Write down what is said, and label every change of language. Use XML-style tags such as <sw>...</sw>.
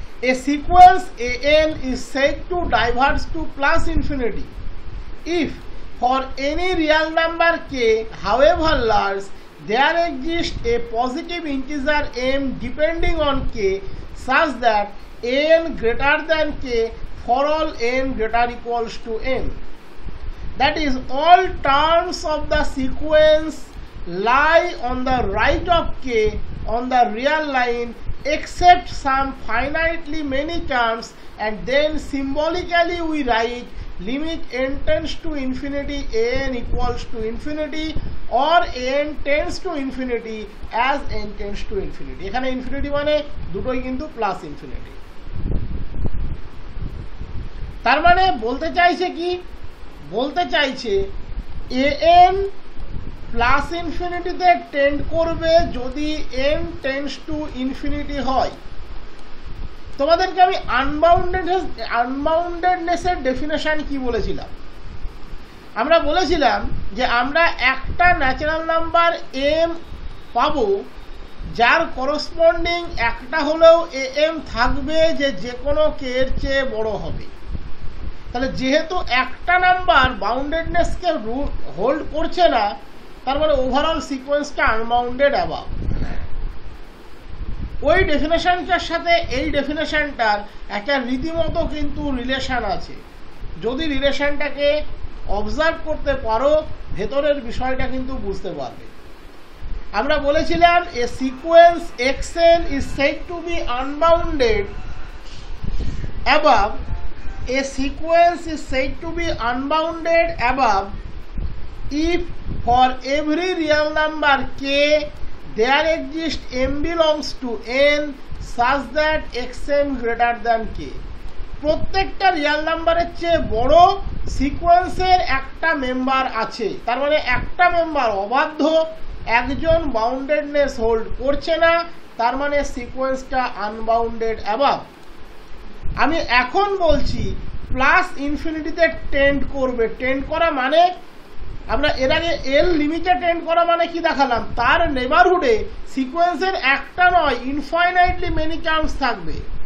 <en>A sequence a n is said to diverge to plus infinity if for any real number k however large there exist a positive integer m depending on k such that n greater than k for all n greater equals to m. That is, all terms of the sequence lie on the right of k on the real line except some finitely many terms, and then symbolically we write limit n tends to infinity a n equals to infinity or a n tends to infinity as n tends to infinity.</en> <bn>এখানে infinity মানে দুটোই কিন্তু plus infinity। তার মানে বলতে চাইছে কি, বলতে চাইছে এ এন প্লাস ইনফিনিটিতে টেন্ড করবে যদি এন টেন্ডস টু ইনফিনিটি হয়। তোমাদেরকে আমি আনবাউন্ডেডনেসের ডেফিনেশন কি বলেছিলাম, আমরা বলেছিলাম যে আমরা একটা ন্যাচারাল নাম্বার এম পাব যার করস্পন্ডিং একটা হলেও এ এম থাকবে যে যে কোনো কে এর চেয়ে বড় হবে। তাহলে যেহেতু একটা নাম্বার বাউন্ডেডনেসকে হোল্ড করছে না, তার মানে ওভারঅল সিকোয়েন্সটা আনবাউন্ডেড অ্যাবাউ। ওই ডেফিনেশনটার সাথে এই ডেফিনেশনটার একটা রীতিমতো কিন্তু রিলেশান আছে, যদি রিলেশনটাকে অবজার্ভ করতে পারো ভেতরের বিষয়টা কিন্তু বুঝতে পারবে।</bn> <en>আমরা বলেছিলাম a sequence x n is said to be unbounded above, a sequence is said to be unbounded above if for every real number k there exists m belongs to n such that xm greater than k।</en> <bn>প্রত্যেকটি real নাম্বারের চেয়ে বড় সিকোয়েন্সের একটা member আছে, তার মানে একটা মেম্বার অবাধ্য, একজন বাউন্ডেডনেস হোল্ড করছে না, তার মানে সিকোয়েন্সটা আনবাউন্ডেড অ্যাবাভ। আমি এখন বলছি প্লাস ইনফিনিটিতে টেন্ড করবে, টেন্ড করা মানে আমরা এর আগে এল লিমিটে টেন্ড করা মানে কি দেখালাম, তার নেবারহুডে সিকোয়েন্সের একটা নয় ইনফাইনাইটলি মেনি টার্মস থাকবে।</bn>